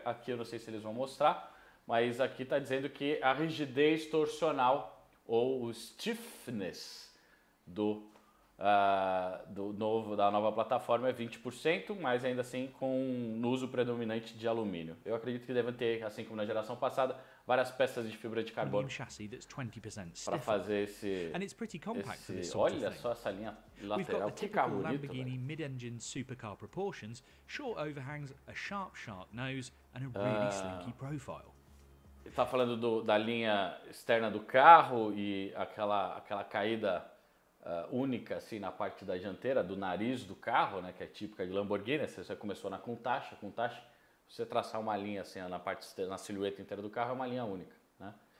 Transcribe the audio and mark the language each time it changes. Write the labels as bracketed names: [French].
[Portuguese] Aqui eu não sei se eles vão mostrar, mas aqui está dizendo que a rigidez torcional ou o stiffness da nova plataforma é 20%, mas ainda assim com um uso predominante de alumínio. Eu acredito que devem ter, assim como na geração passada, várias peças de fibra de carbono para fazer esse... Olha só essa linha lateral, que carro bonito. [English] Lamborghini mid-engine supercar proportions, short overhangs, a sharp shark nose and a really slinky profile. [Portuguese] Ele está falando da linha externa do carro e aquela caída única assim na parte da dianteira, do nariz do carro, né, que é típica de Lamborghini. Você começou na Countach, você traçar uma linha assim na parte, na silhueta inteira do carro, é uma linha única, né?